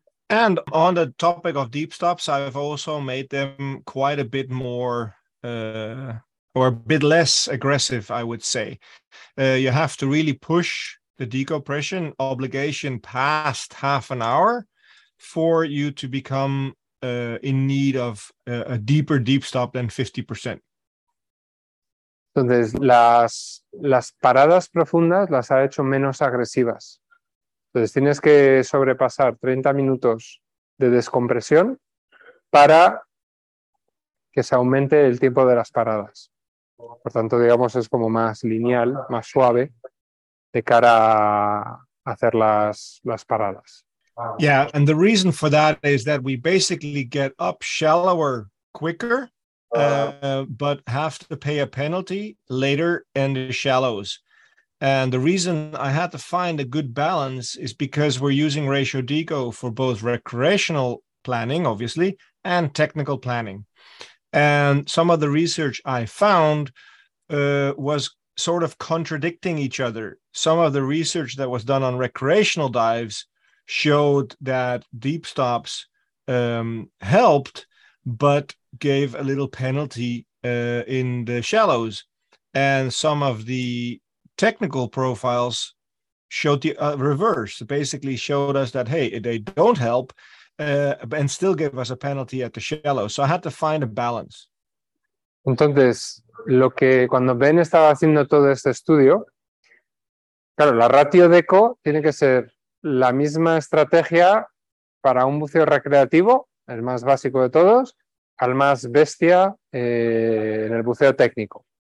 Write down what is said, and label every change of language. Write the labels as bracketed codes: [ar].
[en] And on the topic of deep stops, I've also made them quite a bit more or a bit less aggressive, I would say. You have to really push the decompression obligation past half an hour for you to become in need of a deeper deep stop than 50%. [es] Entonces, las paradas profundas las ha hecho menos agresivas. Entonces, tienes que sobrepasar 30 minutos de descompresión para que se aumente el tiempo de las paradas. Por tanto, digamos, es como más lineal, más suave de cara a hacer las paradas. [en] Yeah, and the reason for that is that we basically get up shallower quicker, but have to pay a penalty later in the shallows. And the reason I had to find a good balance is because we're using Ratio Deco for both recreational planning, obviously, and technical planning. And some of the research I found was sort of contradicting each other. Some of the research that was done on recreational dives showed that deep stops helped, but gave a little penalty in the shallows. And some of the technical profiles showed the reverse, basically showed us that, hey, they don't help and still give us a penalty at the shallow. So I had to find a balance. [es] Entonces, lo que cuando Ben estaba haciendo todo este estudio, claro, la ratio de eco tiene que ser la misma estrategia para un buceo recreativo, el más básico de todos, al más bestia en el buceo técnico.